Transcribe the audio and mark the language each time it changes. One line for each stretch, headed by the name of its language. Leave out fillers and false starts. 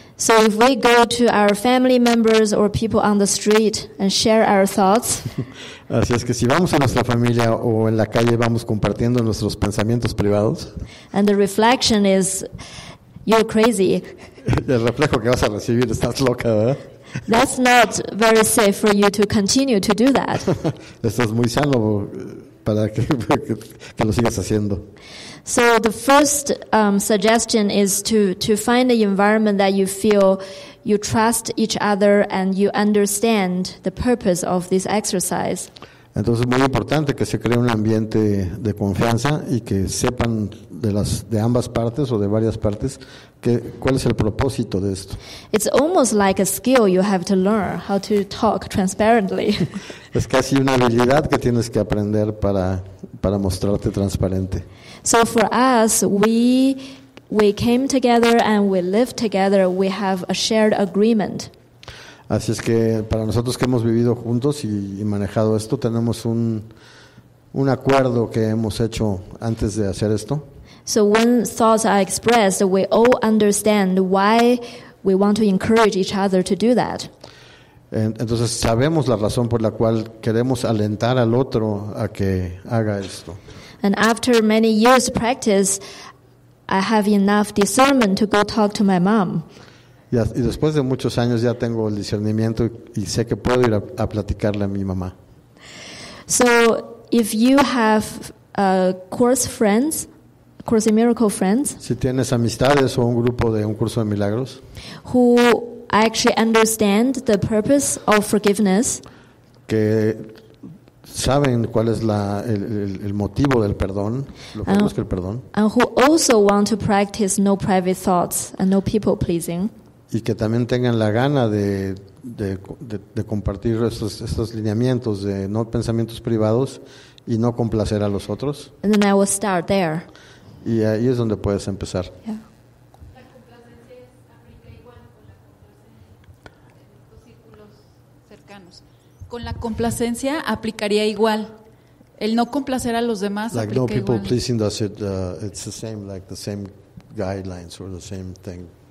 English: So if we go to our family members or people on the street and share our thoughts.
Spanish: Así es que si vamos a nuestra familia o en la calle vamos compartiendo nuestros pensamientos privados.
English: And the reflection is, you're crazy.
Spanish: El reflejo que vas a recibir, estás loca, ¿verdad?
English: That's not very safe for you to continue to do that.
Spanish: Esto es muy sano para que lo sigas haciendo.
English: So the first suggestion is to find an environment that you feel you trust each other and you understand the purpose of this exercise.
Spanish: Entonces es muy importante que se cree un ambiente de confianza y que sepan de ambas partes o de varias partes cuál es el propósito de esto.
English: It's almost like a skill you have to learn how to talk transparently.
Spanish: Es casi una habilidad que tienes que aprender para mostrarte transparente.
English: So for us, we came together and we live together, we have a shared agreement.
Spanish: Así es que para nosotros que hemos vivido juntos y manejado esto, tenemos un acuerdo que hemos hecho antes de hacer esto.
English: So when thoughts are expressed, we all understand why we want to encourage each other to do that.
Spanish: Entonces sabemos la razón por la cual queremos alentar al otro a que haga esto.
English: And after many years practice, I have enough discernment to go talk to my mom.
Spanish: Y después de muchos años ya tengo el discernimiento y sé que puedo ir a platicarle a mi mamá.
English: So if you have Course in Miracles friends,
Spanish: si tienes amistades o un grupo de un curso de milagros,
English: who actually understand the purpose of forgiveness,
Spanish: que saben cuál es el motivo del perdón, lo que busca el perdón,
English: and who also want to practice no private thoughts and no people pleasing.
Spanish: Y que también tengan la gana de compartir estos lineamientos de no pensamientos privados y no complacer a los otros.
English: And then I will start there.
Spanish: Y ahí es donde puedes empezar. La complacencia aplica igual con la complacencia en los círculos cercanos. Con la complacencia aplicaría igual. El no complacer a los demás aplica igual.
English: Like no people pleasing, does it, it's the same, like the same guidelines or the same thing.